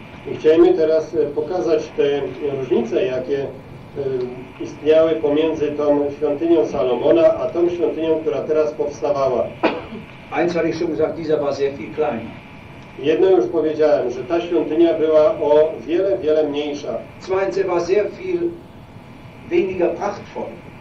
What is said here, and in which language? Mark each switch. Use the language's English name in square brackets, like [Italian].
[Polish] I chcemy teraz pokazać te różnice, jakie istniały pomiędzy tą świątynią Salomona a tą świątynią, która teraz powstawała. [German] Eins hatte ich schon gesagt, dieser war sehr viel kleiner. [Polish] Jedno już powiedziałem, że ta świątynia była o wiele, wiele mniejsza. [German] Zweitens war sehr viel weniger prachtvoll.